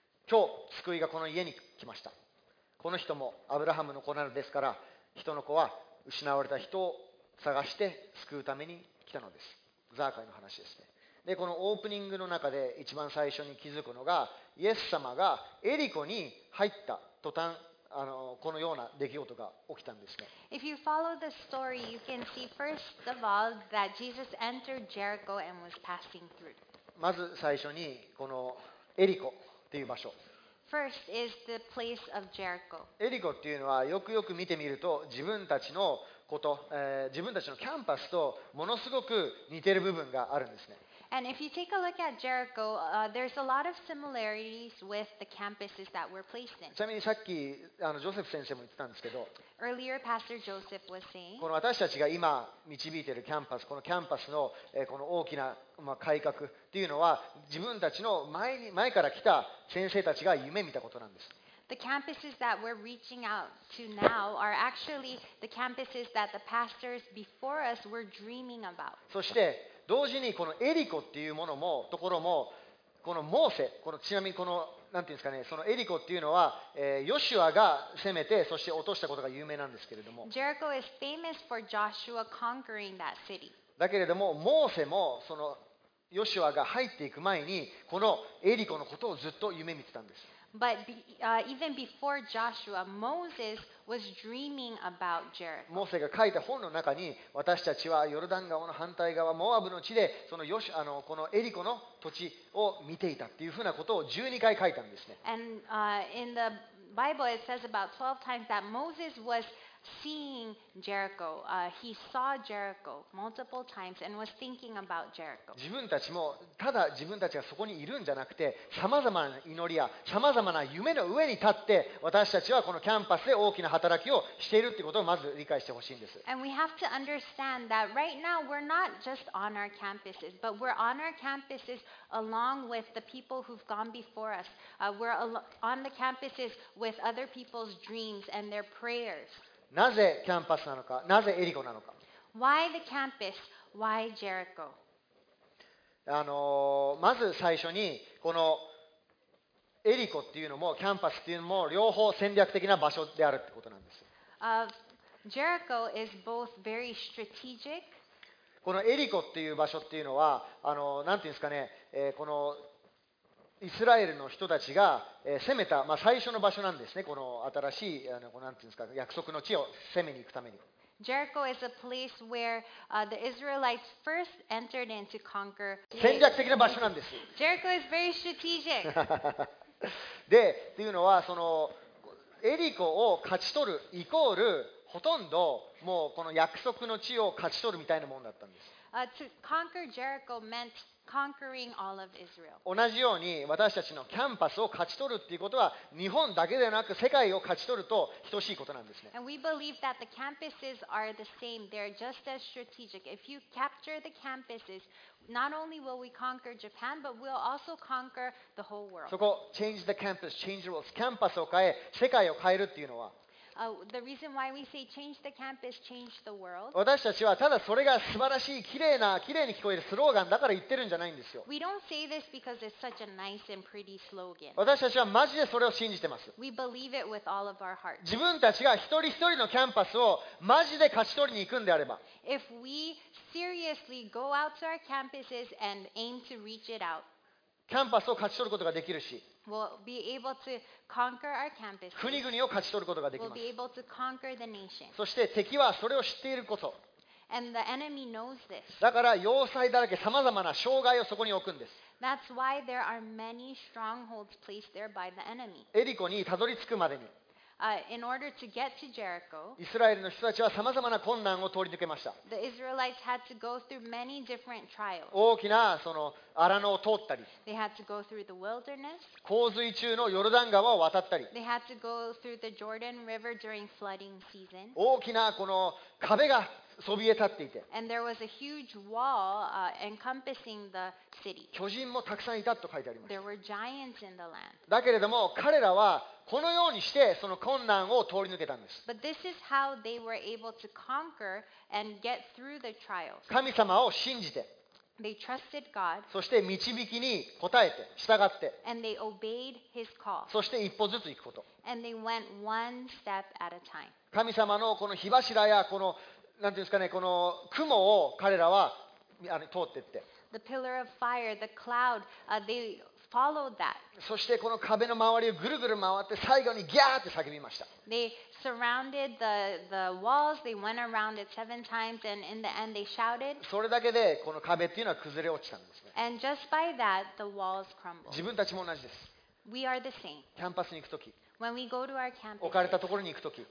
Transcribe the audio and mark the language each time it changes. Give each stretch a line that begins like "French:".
Japanese: 今日救いがこの家に来ました。この人もアブラハムの子なのですから、人の子は失われた人を探して救うために来たのです。ザーカイの話ですね。で、このオープニングの中で一番最初に気づくのが、イエス様がエリコに入った途端、このような出来事が起きたんですね。
English: If you follow the story, you can see first of all that Jesus entered Jericho and was passing through.
Japanese: まず最初にこのエリコっていう場所。
English: First is the place of Jericho.
Japanese: エリコっていうのはよくよく見てみると自分たちのこと、自分たちのキャンパスとものすごく似ている部分があるんですね。
English: And if you take a look at Jericho, there's a lot of similarities with the campuses that we're placed in.
Japanese: ちなみにさっきジョセフ先生も言ってたんですけど、
English: Earlier, Pastor Joseph was saying,
Japanese: この私たちが今導いているキャンパス、このキャンパスの、この大きな、改革っていうのは、自分たちの前から来た先生たちが夢見たことなんです。
English: The campuses that we're reaching out to now are actually the campuses that the pastors before us were dreaming about.
Japanese: そして同時にこのエリコっていうものもところもこのモーセ、このちなみにこのなんていうんですかね、そのエリコっていうのは、ヨシュアが攻めてそして落としたことが有名なんですけれども。
English: Jericho is famous for Joshua conquering that city.
Japanese: だけれどもモーセもそのヨシュアが入っていく前にこのエリコのことをずっと夢見てたんです。
English: But be,、even before Joshua, Moses was dreaming about Jericho.
Japanese: モーセが書いた本の中に、私たちはヨルダン川の反対側、モアブの地で、そのヨシ、あの、このエリコの土地を見ていたっていうふうなことを12回書いたんですね。
English: And、in the Bible, it says about 12 times that Moses was seeing Jericho.、he saw Jericho multiple times and was thinking about Jericho.
Japanese: 自分たちもただ自分たちがそこにいるんじゃなくて、さまざまな祈りやさまざまな夢の上に立って、私たちはこのキャンパスで大きな働きをしているということをまず理解してほしいんです。
English: And we have to understand that right now we're not just on our campuses, but we're on our campuses along with the people who've gone before us.、we're on the campuses with other people's dreams and their prayers.
Japanese: なぜキャンパスなのか、なぜエリコなのか。
English: Why the campus? Why Jericho?
Japanese: まず最初にこのエリコっていうのもキャンパスっていうのも両方戦略的な場所であるってことなんです。
English: Jericho is both very strategic.
Japanese: このエリコっていう場所っていうのは、なんていうんですかね、このイスラエルの人たちが攻めた、まあ、最初の場所なんですね。この新しい、なんていうんですか、約束の地を攻めに行くために。
English: Jericho is a place where the Israelites first entered in to conquer.
Japanese: 戦略的な場所なんです。
English: Jericho is very strategic.
Japanese: で、というのはそのエリコを勝ち取るイコールほとんどもうこの約束の地を勝ち取るみたいなものだったんです。
English: To conquer Jericho meant conquering all of Israel.
Japanese: 同じように私たちのキャンパスを勝ち取るっていうことは日本だけでなく世界を勝ち取ると等しいことなんですね。
English: And we believe that the campuses are the same. They're just as strategic. If you capture the campuses, not only will we conquer Japan, but we'll also conquer the whole world. そこ、change the campus, change the world.
Japanese: キャンパスを変え、世界を変えるっていうのは。
English: The reason why we say change the campus, change the world.
Japanese: 私たちはただそれが素晴らしい、綺麗な、綺麗に聞こえるスローガンだから言ってるんじゃないんですよ。
English: We don't say this because it's such a nice and pretty slogan.
Japanese: 私たちはマジでそれを信じてます。
English: We believe it with all of our heart.
Japanese: 自分たちが一人一人のキャンパスをマジで勝ち取りに行くんであれば。
English: If we seriously go out to our campuses and aim to reach it out.
Japanese: キャンパスを勝ち取ることができるし、
English: we'll be able to conquer our campus.
Japanese: 国々を勝ち取ることができます。
English: We'll be able to conquer the nation.
Japanese: そして敵はそれを知っていること。
English: And the enemy knows this.
Japanese: だから要塞だらけ、さまざまな障害をそこに置くんです。
English: That's why there are many strongholds placed there by the enemy.
Japanese: エリコにたどり着くまでに。
English: In order to get to Jericho,
Japanese: イスラエルの人たちはさまざまな困難を通り抜けました。
English: The Israelites had to go through many different trials.
Japanese: 大きなその荒野を通ったり、
English: They had to go through the wilderness.
Japanese: 洪水中のヨルダン川を渡ったり、
English: They had to go through the Jordan River during flooding season.
Japanese: 大きなこの壁がそびえ立っていて、
English: And there was a huge wall, encompassing the city.
Japanese: 巨人もたくさんいたと書いてあります。
English: There were giants in the land.
Japanese: だけれども彼らはこのようにしてその困難を通り抜けたんです。
English: But this is how they were able to conquer and get through the trials.
Japanese: 神様を信じて、
English: They trusted God.
Japanese: そして導きに応えて従って、
English: And they obeyed His call.
Japanese: そして一歩ずつ行くこと、
English: And they went one step at a time.
Japanese: 神様のこの火柱やこのなんていうんですかね、この雲を彼らは通っていって、
English: The pillar of fire, the cloud, they followed that.
Japanese: そしてこの壁の周りをぐるぐる回って最後にギャーって叫びました。
English: They surrounded the walls, they went around it seven times, and in the end they shouted.
Japanese: それだけでこの壁っていうのは崩れ落ちたんですね。
English: And just by that, the walls crumbled.
Japanese: 自分たちも同じです。
English: We are the same.
Japanese: キャンパスに行くとき、
English: When we go to our campuses,
Japanese: 置かれたところに行くとき、